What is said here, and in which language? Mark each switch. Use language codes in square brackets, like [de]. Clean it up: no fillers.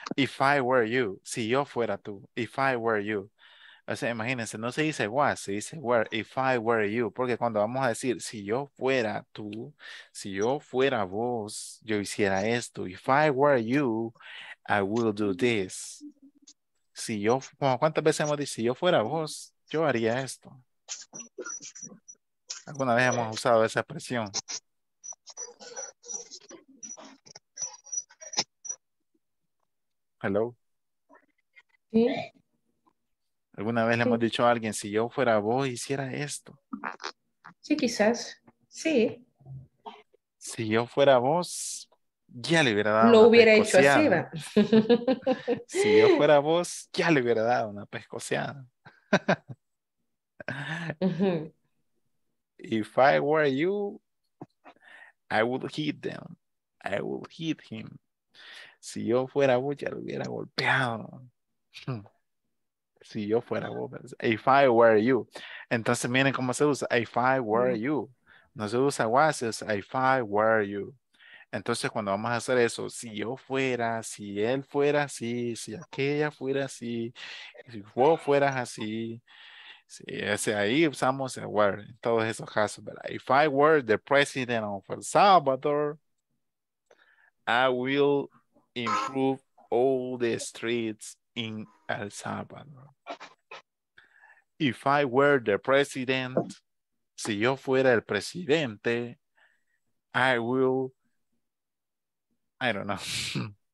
[en] If I were you, [es] si yo fuera tú, [en] if I were you. [es] O sea, imagínense, no se dice was, se dice were, [en] if I were you. [es] Porque cuando vamos a decir, si yo fuera tú, si yo fuera vos, yo hiciera esto. [en] If I were you, I will do this. [es] Si yo, ¿cuántas veces hemos dicho, si yo fuera vos, yo haría esto? ¿Alguna vez hemos usado esa expresión? [en] Hello. [es] ¿Sí? ¿Alguna vez le hemos dicho a alguien, si yo fuera vos, hiciera esto? Sí, quizás. Sí. Si yo fuera vos, ya le hubiera dado una pescoseada. Lo hubiera hecho así, ¿verdad? Si yo fuera vos, ya le hubiera dado una pescoseada. [en] If I were you, I would hit them. I would hit him. [es] Si yo fuera vos, ya lo hubiera golpeado. Si yo fuera vos, [en] if I were you. [es] Entonces miren cómo se usa, if I were you. No se usa was, es [en] if I were you. [es] Entonces cuando vamos a hacer eso, si yo fuera, si él fuera así, si aquella fuera así, si vos fueras así, si ese ahí usamos el were en todos esos casos. [en] But if I were the president of El Salvador, I will improve all the streets in El Salvador. If I were the president, [es] si yo fuera el presidente, [en] I will, I don't know.